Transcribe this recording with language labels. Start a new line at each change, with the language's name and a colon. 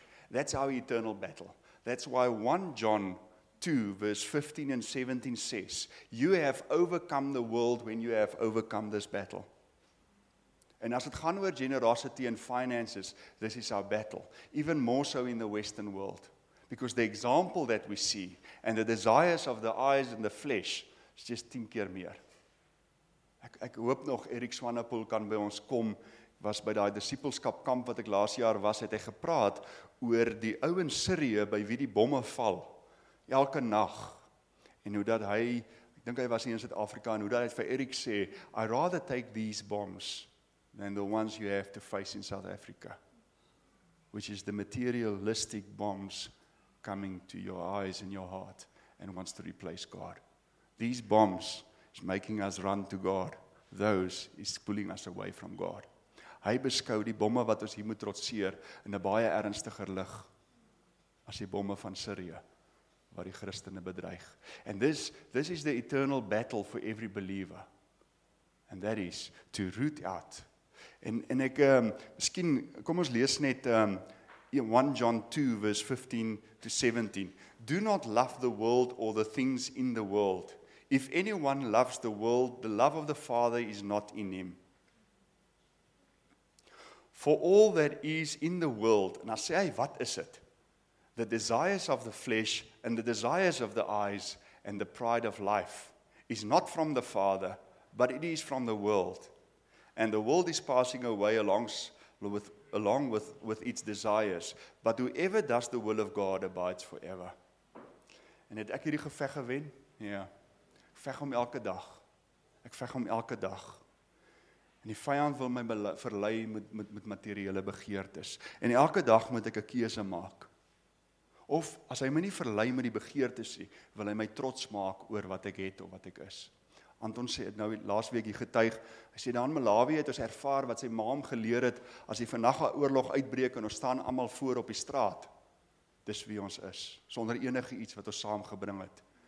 English: That's our eternal battle. That's why 1 John 2 verse 15 and 17 says, you have overcome the world when you have overcome this battle.
Afrikaans: En as dit gaan oor
English: generosity and finances, this is our battle. Even more so in the Western world. Because the example that we see and the desires of the eyes and the flesh is just
Afrikaans: 10 keer meer. Ek hoop nog Erik Swanepoel kan by ons kom. Was by daai disipelskap kamp wat ek laas jaar was, het hy gepraat oor die ou in Sirië by wie die bomme val. Elke nag. En hoe dat hy, ek dink hy was hier in Suid-Afrika, en hoe dat hy vir Erik sê,
English: I rather take these bombs than the ones you have to face in South Africa, which is the materialistic bombs coming to your eyes and your heart and wants to replace God. These bombs is making us run to God. Those is pulling us away from God.
Afrikaans: Hy beskou die bomme wat ons hier moet trotseer in 'n baie ernstiger lig as die bomme van Sirië wat die Christene bedreig.
English: And this is the eternal battle for every believer. And that is to root out.
Afrikaans: En ek, miskien, kom ons lees net
English: 1 John 2 verse 15 to 17. Do not love the world or the things in the world. If anyone loves the world, the love of the Father is not in him. For all that is in the world,
Afrikaans: nou sê hy, wat is
English: it? The desires of the flesh and the desires of the eyes and the pride of life is not from the Father, but it is from the world. And the world is passing away along with its desires. But whoever does the will of God abides forever.
Afrikaans: En het ek hierdie geveg gewen? Ja. Ek veg om elke dag. Ek veg om elke dag. En die vijand wil my verlei met materiële begeertes. En elke dag moet ek 'n keuse maak. Of as hy my nie verlei met die begeertes nie, wil hy my trots maak oor wat ek het of wat ek is. Anton sê het nou laas week hier getuig, hy sê daar in Malawi het ons ervaar wat sy maam geleer het, as die vannagte oorlog uitbreek en ons staan allemaal voor op die straat, dis wie ons is, sonder enige iets wat ons saamgebring het,